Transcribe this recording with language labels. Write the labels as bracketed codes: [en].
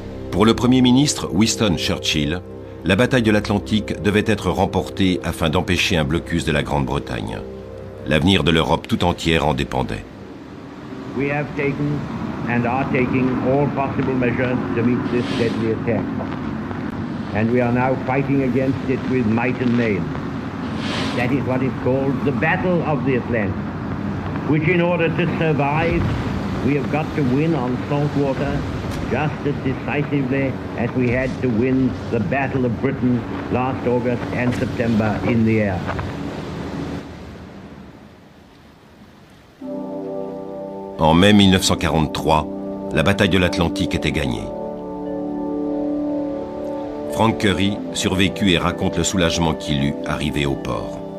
[fr] Pour le Premier ministre Winston Churchill, la bataille de l'Atlantique devait être remportée afin d'empêcher un blocus de la Grande-Bretagne. L'avenir de l'Europe tout entière en dépendait. [en] We have taken and are taking all possible measures to meet this deadly attack. And we are now fighting against it with might and main. That is what is called the Battle of the Atlantic, which in order to survive, we have got to win on salt water. Just as decisively as we had to win the Battle of Britain last August and September in the air. [fr] En mai 1943, la bataille de l'Atlantique était gagnée. Frank Curry survécut et raconte le soulagement qu'il eut arrivé au port.